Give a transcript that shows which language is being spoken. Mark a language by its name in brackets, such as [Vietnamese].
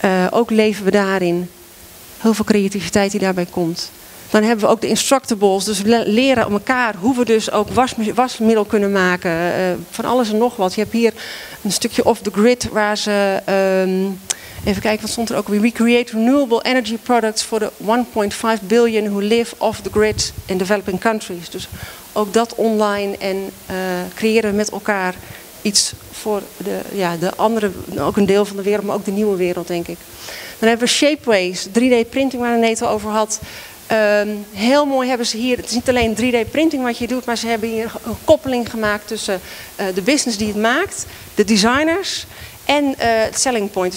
[Dutch] Ook leven we daarin. Heel veel creativiteit die daarbij komt. Dan hebben we ook de instructables. Dus leren om elkaar hoe we dus ook wasmiddel kunnen maken. Van alles en nog wat. Je hebt hier een stukje [English] off the grid [Dutch] waar ze... even kijken, wat stond er ook weer? [English] We create renewable energy products for the 1.5 billion who live off the grid in developing countries. [Dutch] Dus ook dat online en creëren met elkaar iets voor de andere, ook een deel van de wereld, maar ook de nieuwe wereld, denk ik. Dan hebben we Shapeways, 3D printing waar René het al over had. Heel mooi hebben ze hier, het is niet alleen 3D printing wat je doet, maar ze hebben hier een koppeling gemaakt tussen de business die het maakt, de designers en het selling point.